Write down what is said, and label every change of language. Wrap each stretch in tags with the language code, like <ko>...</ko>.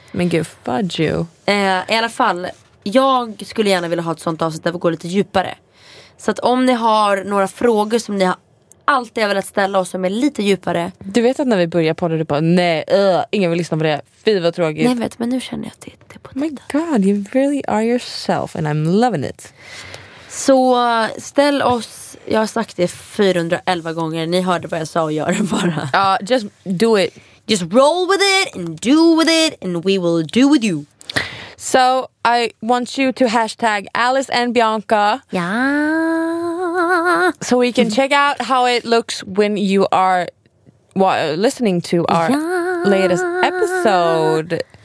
<sv>Men gud,</sv> <en>fudge you.</en> <sv>I alla fall, jag skulle gärna vilja ha ett sånt avsnitt där vi går lite djupare. Så att om ni har några frågor som ni har allt jag velat ställa oss som är lite djupare. Du vet att när vi börjar podda, du bara, nej, ingen vill lyssna på det. Fy vad tråkigt. Nej, vet, men nu känner jag att det är på tiden.</sv> <en>My god, you really are yourself and I'm loving it.</en> <sv>Så ställ oss, jag har sagt det 411 gånger. Ni hörde vad jag sa och gör det bara.</sv> <en>Ja, just do it. Just roll with it and do with it and we will do with you. So I want you to hashtag Alice and Bianca. Yeah. So we can check out how it looks when you are listening to our latest episode.</en>